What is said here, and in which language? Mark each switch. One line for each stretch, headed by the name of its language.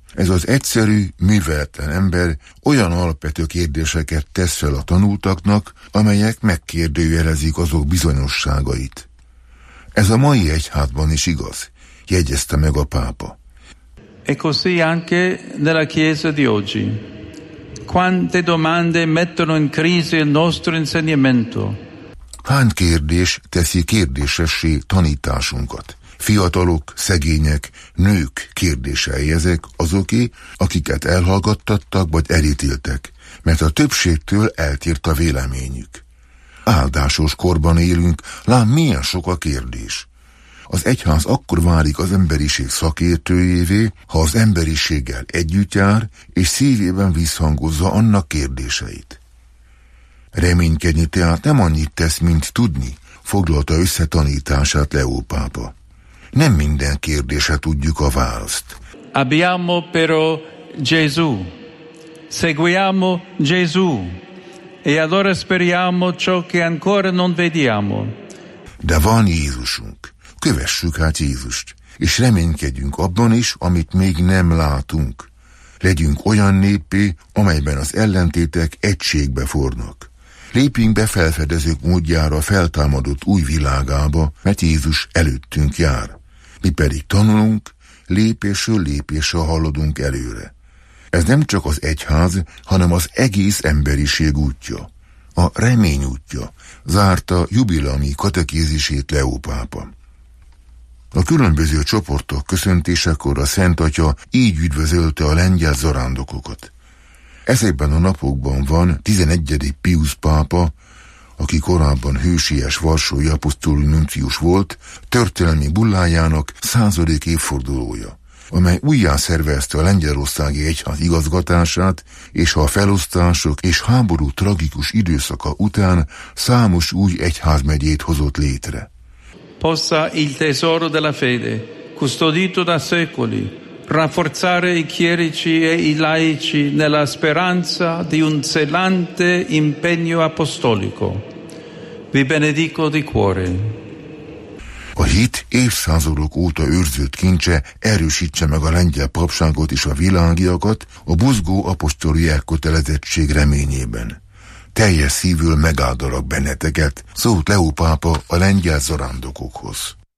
Hungarian: Ez az egyszerű, műveletlen ember olyan alapvető kérdéseket tesz fel a tanultaknak, amelyek megkérdőjelezik azok bizonyosságait. Ez a mai egyházban is igaz, jegyezte meg a pápa.
Italian: E così anche nella chiesa di oggi. Quante domande mettono in crisi il nostro insegnamento?
Hungarian: Hány kérdés teszi kérdésessé tanításunkat? Fiatalok, szegények, nők kérdései ezek azoké, akiket elhallgattattak vagy elítéltek, mert a többségtől eltért a véleményük. Áldásos korban élünk, lám milyen sok a kérdés. Az egyház akkor válik az emberiség szakértőjévé, ha az emberiséggel együtt jár, és szívében visszhangozza annak kérdéseit. Reménykedni tehát nem annyit tesz, mint tudni, foglalta össze tanítását Leó pápa. Nem minden kérdésre tudjuk a választ.
Italian: Abbiamo però Gesù. Seguiamo Gesù. E allora speriamo ciò che ancora non vediamo.
Hungarian: De van Jézusunk. Kövessük hát Jézust. És reménykedjünk abban is, amit még nem látunk. Legyünk olyan néppé, amelyben az ellentétek egységbe fornak. Lépjünk be felfedezők módjára feltámadott új világába, mert Jézus előttünk jár. Mi pedig tanulunk, lépésről lépésre haladunk előre. Ez nem csak az egyház, hanem az egész emberiség útja. A remény útja, zárta jubileumi katekézisét Leó pápa. A különböző csoportok köszöntésekor a Szent Atya így üdvözölte a lengyel zarándokokat. Ezekben a napokban van 11. Pius pápa, aki korábban hősies varsói apostoli nuncius volt, történelmi bullájának 100. évfordulója, amely újjászervezte a lengyelországi egyház igazgatását, és a felosztások és háború tragikus időszaka után számos új egyházmegyét hozott létre.
Italian: Possa il tesoro della fede, custodito da secoli, rafforzare i chierici e i laici nella speranza di un zelante impegno apostolico. Vi benedico di cuore.
Hungarian: A hit évszázadok óta őrzött kincse erősítse meg a lengyel papságot és a világiakat a buzgó apostoli elkötelezettség reményében. Teljes szívül megáldalak benneteket, szólt Leó pápa a lengyel zarándokokhoz.